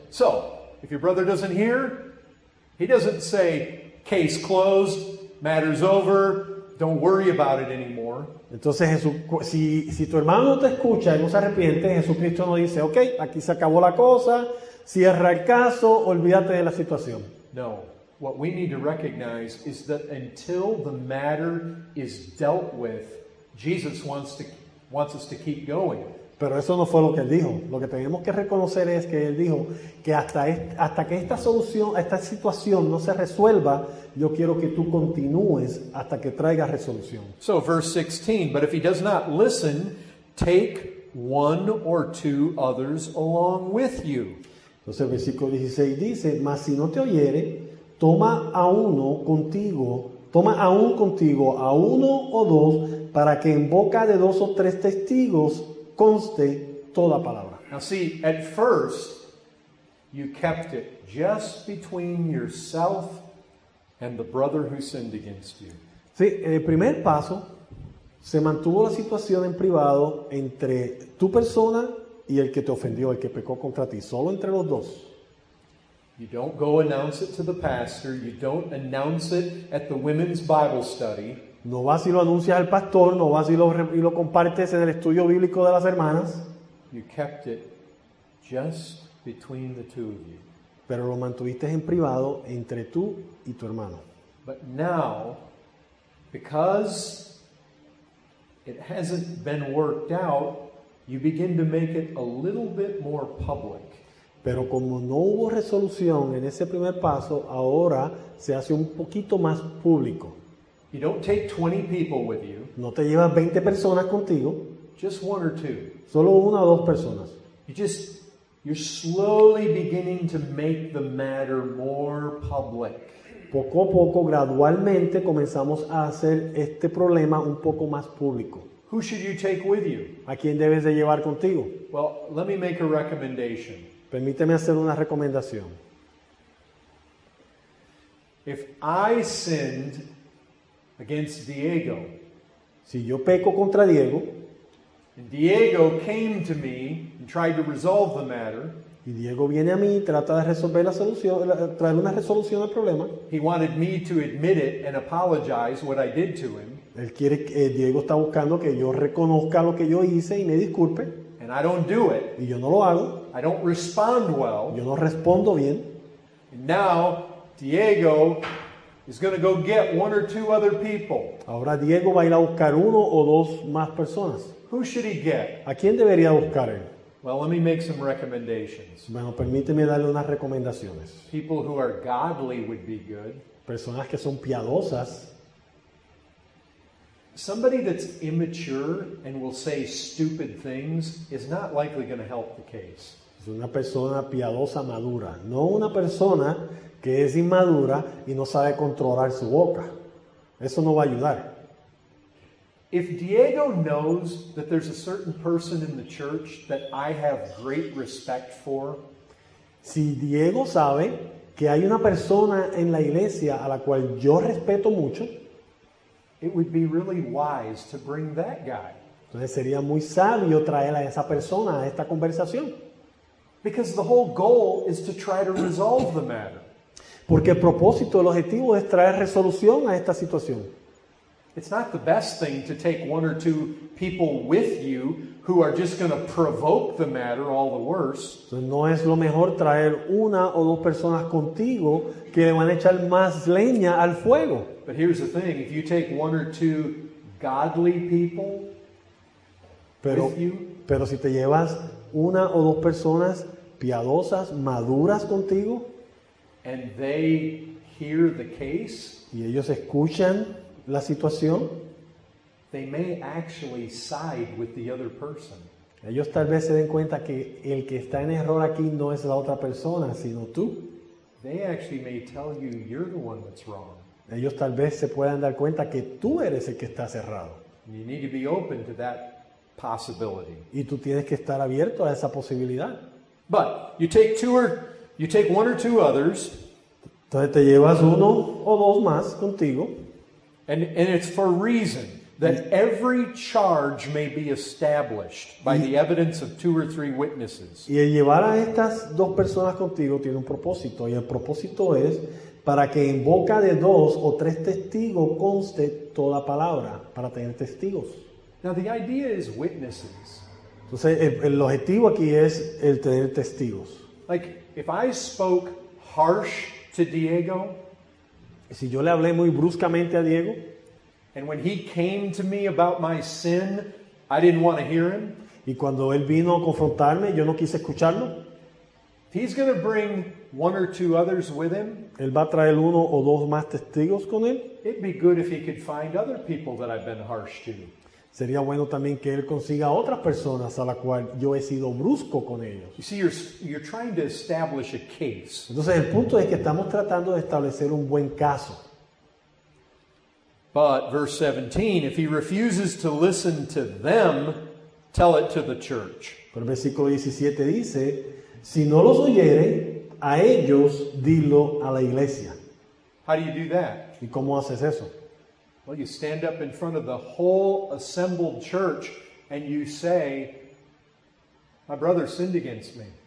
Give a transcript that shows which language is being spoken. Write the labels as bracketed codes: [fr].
[en] So, if your brother doesn't hear, he doesn't say, case closed, matter's over, don't worry about it anymore. [es] Entonces, si tu hermano te escucha y no se arrepiente, Jesucristo no dice, ok, aquí se acabó la cosa, cierra el caso, olvídate de la situación. No. [en] What we need to recognize is that until the matter is dealt with, Jesus wants us to keep going. [es] Pero eso no fue lo que él dijo. Lo que tenemos que reconocer es que él dijo que hasta que esta solución, esta situación no se resuelva, yo quiero que tú continúes hasta que traigas resolución. [en] So verse 16, but if he does not listen, take one or two others along with you. [es] Entonces el versículo 16 dice, mas si no te oyere, toma a uno o dos, para que en boca de dos o tres testigos conste toda palabra. [en] Now see, at first, you kept it just between yourself and the brother who sinned against you. [es] Sí, en el primer paso, se mantuvo la situación en privado entre tu persona y el que te ofendió, el que pecó contra ti, solo entre los dos. [en] You don't go announce it to the pastor. You don't announce it at the women's Bible study. [es] No vas y lo anuncias al pastor. No vas y lo compartes en el estudio bíblico de las hermanas. [en] You kept it just between the two of you. [es] Pero lo mantuviste en privado entre tú y tu hermano. [en] But now, because it hasn't been worked out, you begin to make it a little bit more public. [es] Pero como no hubo resolución en ese primer paso, ahora se hace un poquito más público. [en] You don't take 20 people with you. [es] No te llevas 20 personas contigo. [en] Just one or two. [es] Solo una o dos personas. [en] You're slowly beginning to make the matter more public. [es] Poco a poco, gradualmente, comenzamos a hacer este problema un poco más público. [en] Who should you take with you? [es] ¿A quién debes de llevar contigo? [en] Well, let me make a recommendation. [es] Permíteme hacer una recomendación. [en] If I sinned against Diego, [es] si yo peco contra Diego, [en] and Diego came to me and tried to resolve the matter, [es] y Diego viene a mí y trata de resolver la solución, traer una resolución al problema. [en] He wanted me to admit it and apologize what I did to him. [es] Él quiere, Diego está buscando que yo reconozca lo que yo hice y me disculpe. [en] And I don't do it. [es] Y yo no lo hago. [en] I don't respond well. [es] Yo no respondo bien. [en] And now Diego is going to go get one or two other people. [es] Ahora Diego va a ir a buscar uno o dos más personas. [en] Who should he get? [es] ¿A quién debería buscar él? [en] Well, let me make some recommendations. [es] Bueno, permíteme darle unas recomendaciones. [en] People who are godly would be good. [es] Personas que son piadosas. [en] Somebody that's immature and will say stupid things is not likely going to help the case. [es] Es una persona piadosa madura, no una persona que es inmadura y no sabe controlar su boca. Eso no va a ayudar. [en] If Diego knows that there's a certain person in the church that I have great respect for, [es] si Diego sabe que hay una persona en la iglesia a la cual yo respeto mucho, [en] it would be really wise to bring that guy. [es] Entonces sería muy sabio traer a esa persona a esta conversación. [en] Because the whole goal is to try to resolve the matter. [es] Porque el propósito, el objetivo es traer resolución a esta situación. [en] It's not the best thing to take one or two people with you who are just going to provoke the matter all the worse. [es] Entonces no es lo mejor traer una o dos personas contigo que le van a echar más leña al fuego. [en] But here's the thing, if you take one or two godly people [es] pero si te llevas una o dos personas piadosas, maduras contigo, [en] and they hear the case, [es] y ellos escuchan la situación, [en] they may actually side with the other person. [es] Ellos tal vez se den cuenta que el que está en error aquí no es la otra persona, sino tú. [en] They actually may tell you you're the one that's wrong. [es] Ellos tal vez se puedan dar cuenta que tú eres el que está cerrado. [en] You need to be open to that possibility. [es] Y tú tienes que estar abierto a esa posibilidad. [en] But you take two or you take one or two others. [es] Entonces te llevas uno o dos más contigo. [en] And it's for reason that every charge may be established by the evidence of two or three witnesses. [es] Y el llevar a estas dos personas contigo tiene un propósito, y el propósito es para que en boca de dos o tres testigos conste toda palabra, para tener testigos. [en] Now the idea is witnesses. [es] Entonces el objetivo aquí es el tener testigos. [en] Like if I spoke harsh to Diego, [es] si yo le hablé muy bruscamente a Diego, [en] and when he came to me about my sin, I didn't want to hear him. [es] Y cuando él vino a confrontarme, yo no quise escucharlo. [en] He's going to bring one or two others with him. [es] Él va a traer uno o dos más testigos con él. [en] It'd be good if he could find other people that I've been harsh to. [es] Sería bueno también que él consiga otras personas a la cual yo he sido brusco con ellos. [en] You see, you're trying to establish a case. [es] Entonces el punto es que estamos tratando de establecer un buen caso. [en] But verse 17, if he refuses to listen to them, tell it to the church. [es] Pero el versículo 17 dice, si no los oyere, a ellos dilo a la iglesia. [en] How do you do that? [es] ¿Y cómo haces eso? [en] Well, you stand up in front of the whole assembled church and you say, my brother sinned against me.